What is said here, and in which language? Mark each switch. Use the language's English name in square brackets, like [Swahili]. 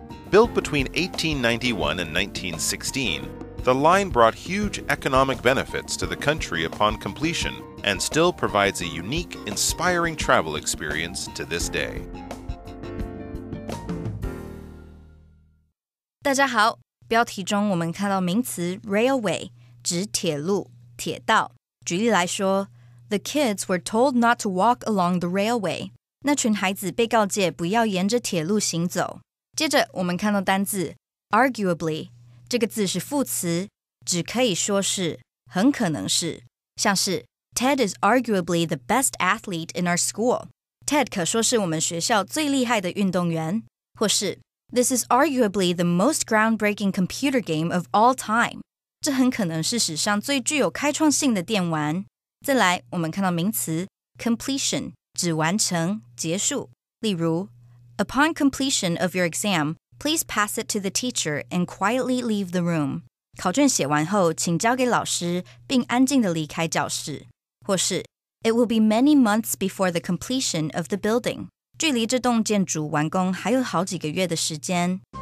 [English] Built between 1891 and 1916, the line brought huge economic benefits to the country upon completion and still provides a unique, inspiring travel experience to this day. [Chinese] 大家好，标题中我们看到名词 railway, 指铁路、铁道。举例来说 [English] ,the kids were told not to walk along the railway. [Chinese] 那群孩子被告诫不要沿着铁路行走。接着我们看到单字 ,arguably, 这个字是副词，只可以说是，很可能是。像是 [English] ,Ted is arguably the best athlete in our school. [Chinese] Ted 可说是我们学校最厉害的运动员。或是 [English] This is arguably the most groundbreaking computer game of all time. [Chinese] 这很可能是史上最具有开创性的电玩。再来，我们看到名词 completion, 指完成、结束。例如 [English] ,upon completion of your exam, please pass it to the teacher and quietly leave the room. [Chinese] 考卷写完后请交给老师并安静地离开教室。或是 [English] ,it will be many months before the completion of the building. [Chinese] 距离这栋建筑完工还有好几个月的时间。